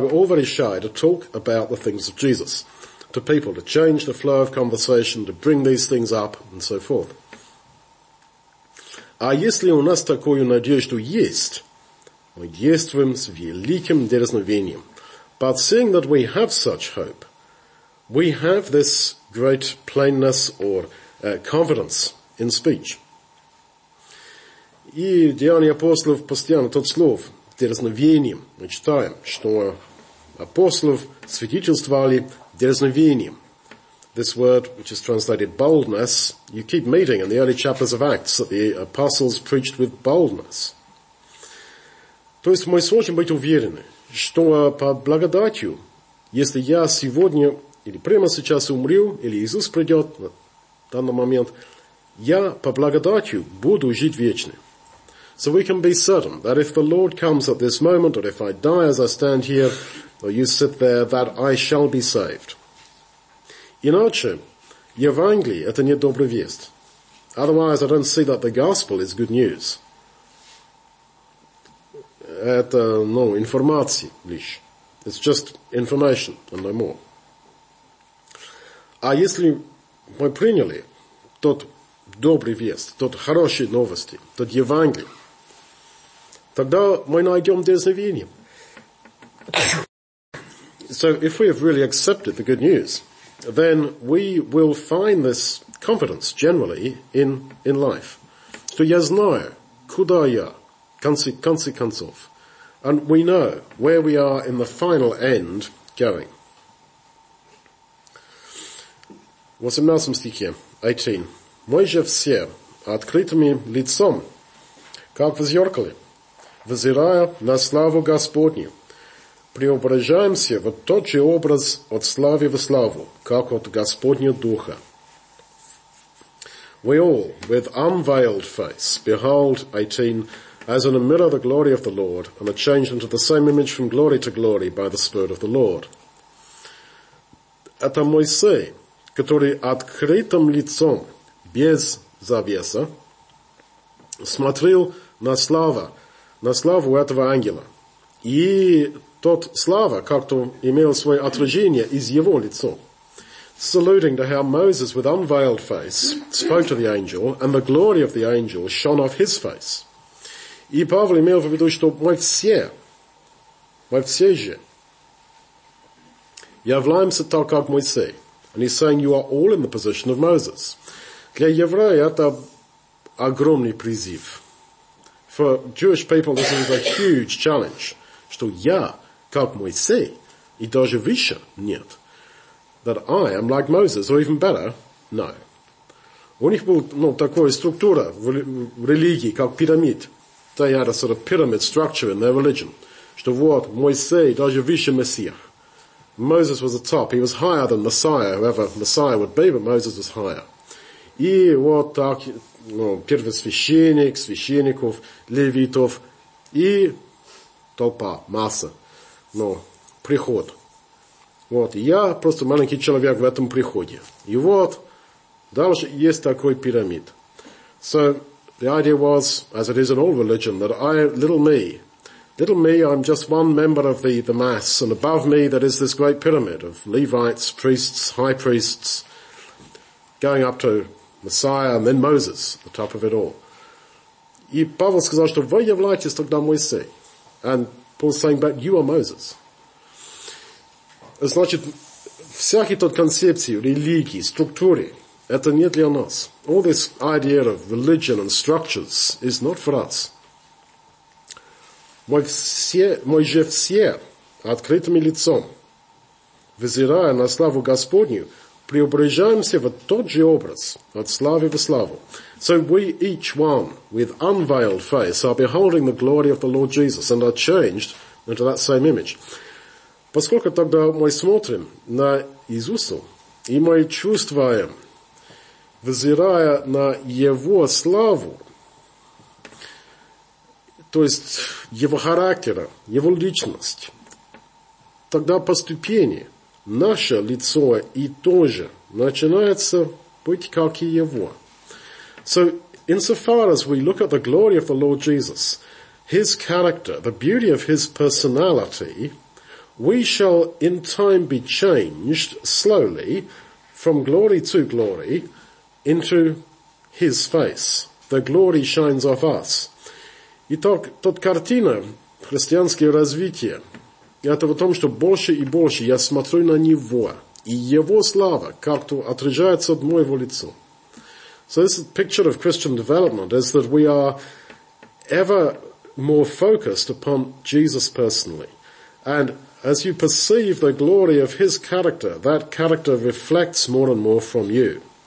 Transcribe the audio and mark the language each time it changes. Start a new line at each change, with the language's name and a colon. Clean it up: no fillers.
English: We're all very shy to talk about the things of Jesus to people, to change the flow of conversation, to bring these things up, and so forth.
Russian: А если у нас такую надежду есть, мы действуем с великим дерзновением.
English: But seeing that we have such hope, we have this great plainness or confidence in speech.
Russian: И Деяния апостолов постоянно тот слов дерзновением. Мы читаем, что апостолов свидетельствовали дерзновением.
English: This word, which is translated boldness, you keep meeting in the early chapters of Acts that the apostles preached with boldness.
Russian: То есть мы сможем быть уверены, что по благодатью, если я сегодня или прямо сейчас умру, или Иисус придет в данный момент, я по благодатью буду жить вечно.
English: So we can be certain that if the Lord comes at this moment, or if I die as I stand here, or you sit there, that I shall be saved.
Russian: Иначе, Евангелие – это не добрая весть.
English: Otherwise, I don't see that the gospel is good news.
Russian: это, ну, информация лишь.
English: It's just information and no more.
Russian: А если мы приняли тот добрый вест, тот хороший новости, тот Евангелие, тогда мы найдем дерзновение.
English: So if we have really accepted the good news, then we will find this confidence generally in life.
Russian: Что я знаю, куда я, концы концов.
English: And we know where we are in the final end going.
Russian: В 18 стихе, 18. Мы же все открытыми лицом, как в зеркале, взирая на славу Господню, преображаемся в тот же образ от славы в славу, как от Господня Духа.
English: We all, with unveiled face, behold, 18, as in a mirror the glory of the Lord, and are changed into the same image from glory to glory by the Spirit of the Lord.
Russian: Это Моисей, который открытым лицом, без завеса, смотрел на славу этого ангела. И тот слава как-то имел свое отражение из его лица.
English: Saluting to how Moses with unveiled face spoke to the angel, and the glory of the angel shone off his face.
Russian: И Павел имел в виду, что мы все же являемся так, как Моисей.
English: And he's saying, you are all in the position of Moses.
Russian: Для еврея это огромный призыв.
English: For Jewish people, this is a huge challenge.
Russian: Что я, как Моисей, и даже выше, нет.
English: That I am like Moses, or even better, no.
Russian: У них была, ну, такая структура в религии, как пирамид.
English: They had a sort of pyramid structure in their religion.
Russian: Что вот, Моисей, даже выше Мессия.
English: Moses was the top. He was higher than Messiah, whoever Messiah would be, but Moses was higher.
Russian: И вот так, ну, первосвященник, священников, левитов, и толпа, масса, ну, приход. Вот, я просто маленький человек в этом приходе. И вот, дальше есть такой пирамид.
English: So, the idea was, as it is in all religion, that I, little me, I'm just one member of the mass, and above me there is this great pyramid of Levites, priests, high priests, going up to Messiah, and then Moses, the top of it all.
Russian: И Павел сказал, что вы являетесь тогда Моисей.
English: And Paul's saying, but you are Moses.
Russian: Значит, всякий тот концепции, религии, структуры, это не для нас.
English: All this idea of religion and structures is not for us.
Russian: Мы же все открытыми лицом, взирая на славу Господню, преображаемся в тот же образ, от славы в славу.
English: So we each one, with unveiled face, are beholding the glory of the Lord Jesus and are changed into that same image.
Russian: Поскольку тогда мы смотрим на Иисуса, и мы чувствуем, взирая на Его славу, то есть Его характера, Его личность, тогда поступение, наше лицо и тоже начинается быть как и Его.
English: So, insofar as we look at the glory of the Lord Jesus, His character, the beauty of His personality, we shall in time be changed slowly from glory to glory into His face. The glory shines off us.
Russian: Итак, тот картина христианского развития, это в том, что больше и больше я смотрю на Него, и Его слава как-то отражается от моего лица.
English: So this picture of Christian development is that we are ever more focused upon Jesus personally. And as you perceive the glory of His character, that character reflects more and more from you.